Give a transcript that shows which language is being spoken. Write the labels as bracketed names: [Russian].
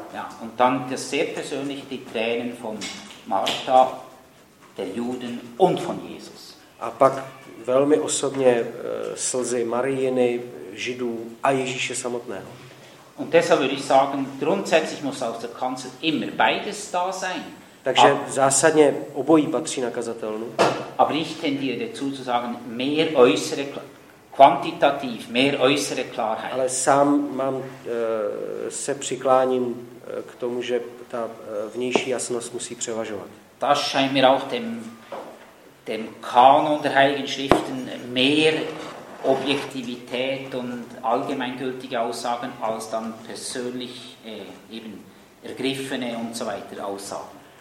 [German] Ja, und dann das sehr persönliche, die Tränen von Martha, der Juden und von Jesus. [Czech] A pak velmi osobně slzy Marijiny, Židů a Ježíše samotného. [German] Und deshalb würde ich sagen, grundsätzlich muss auf der Kanzel immer beides da sein. [Czech] Takže zásadně obojí patří na kazatelnu. [German] Aber ich tendiere dazu zu sagen, mehr äußere quantitativ, mehr äußere Klarheit. [Czech] Ale sám mám se přikláním k tomu, že ta vnější jasnost musí převažovat. [German] Das scheint mir auch dem Kanon der Heiligen Schriften mehr Objektivität und allgemeingültige Aussagen als dann persönlich eben ergriffene und so weiter Aussagen.